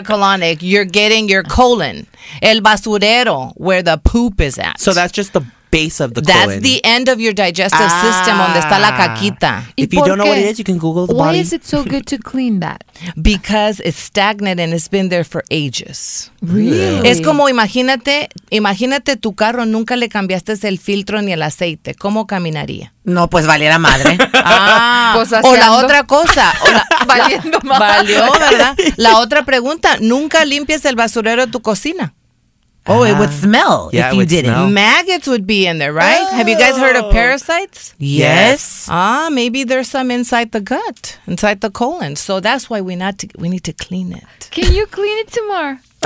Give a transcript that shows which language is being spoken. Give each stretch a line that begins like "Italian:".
English: a colonic, you're getting your colon.
Spanish: El basurero,
English: where the poop is at. So that's just the base of the colon. That's the end of your digestive system,
Spanish: donde está la caquita.
English: If you don't know what it is, you can Google the body. is it so good to clean that? Because it's stagnant and it's been there for ages. Really?
Spanish: Es como imagínate tu carro, nunca le cambiaste el filtro ni el aceite. ¿Cómo caminaría? No, pues valiera madre. O la otra cosa. Valiendo madre. Valió, ¿verdad? La otra pregunta, ¿nunca limpias el basurero de tu cocina?
English: Oh, it would smell if you did it. Maggots would be in there, right? Oh. Have you guys heard of parasites? Yes. Maybe there's some inside the gut, inside the colon. So that's why we need to clean it. Can you clean it tomorrow?